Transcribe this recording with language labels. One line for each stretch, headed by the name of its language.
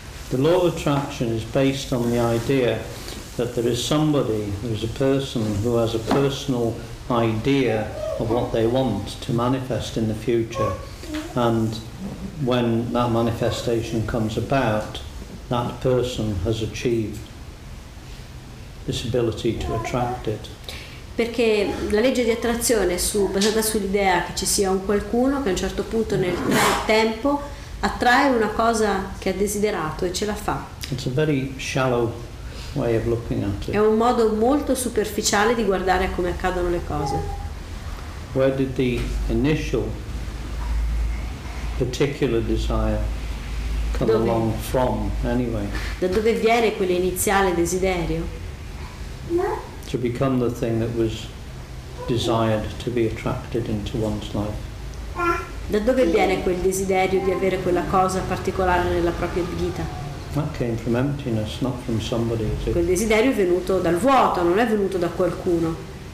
English: The law of attraction is based on the idea that there is somebody, there is a person who has a personal idea of what they want to manifest in the future, and when that manifestation comes about, that person has achieved this ability to attract it.
Italian: Perché la legge di attrazione è basata sull'idea che ci sia un qualcuno che a un certo punto nel tempo attrae una cosa che ha desiderato e ce la fa.
English: It's a very shallow way of looking at it.
Italian: È un modo molto superficiale di guardare come accadono le cose.
English: Where did the initial particular desire come
Italian: dove?
English: Along from anyway?
Italian: Da dove viene quell'iniziale desiderio?
English: To become the thing that was desired to be attracted into one's life.
Italian: Da dove viene quel desiderio di avere quella cosa particolare nella propria vita?
English: That came from emptiness, not from somebody.
Italian: Quel desiderio è venuto dal vuoto, non è venuto da qualcuno.